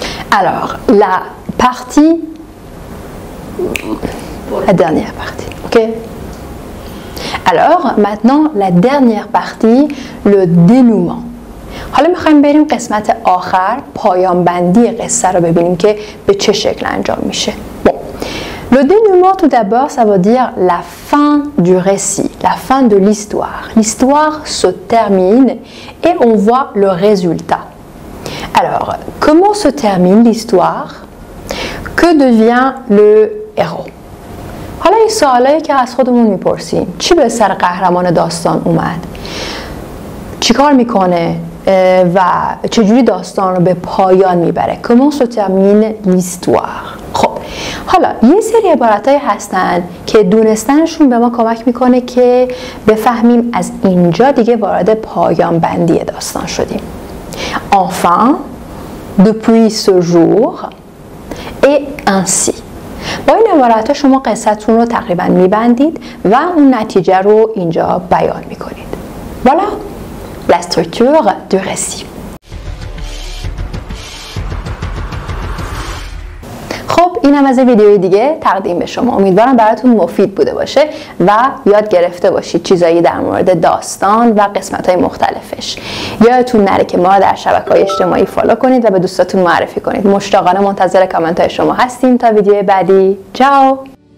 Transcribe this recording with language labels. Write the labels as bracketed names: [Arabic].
[French] Alors, la partie, la dernière partie, ok? Alors, maintenant, la dernière partie, le dénouement. [Persian] حالا میخواییم بریم قسمت آخر، پایان بندی قصه رو ببینیم که به چه شکل انجام میشه. [French] Le dénouement, tout d'abord, ça veut dire la fin du récit, la fin de l'histoire. L'histoire se termine et on voit le résultat. Alors, comment se termine l'histoire? Que devient le héros? [Persian] حالا این سوالی که از خودمون میپرسیم، چی به سر قهرمان داستان اومد؟ چیکار میکنه و چجوری داستان رو به پایان میبره؟ [French] Comment se termine l'histoire? [Persian] خب، حالا یه سری عبارتای هستن که دونستنشون به ما کمک میکنه که بفهمیم از اینجا دیگه وارد پایان بندی داستان شدیم. [French] Enfin, depuis ce jour, et ainsi. [Persian] با این عبارت ها شما قصتون رو تقریبا میبندید و اون نتیجه رو اینجا بیان میکنید. [French] Voilà la structure du récit. [Persian] خب اینم از ویدیوی دیگه تقدیم به شما. امیدوارم براتون مفید بوده باشه و یاد گرفته باشید چیزایی در مورد داستان و قسمت‌های مختلفش. یادتون نره که ما در شبکه‌های اجتماعی فالو کنید و به دوستاتون معرفی کنید. مشتاقانه منتظر کامنت‌های شما هستیم. تا ویدیو بعدی، چاو.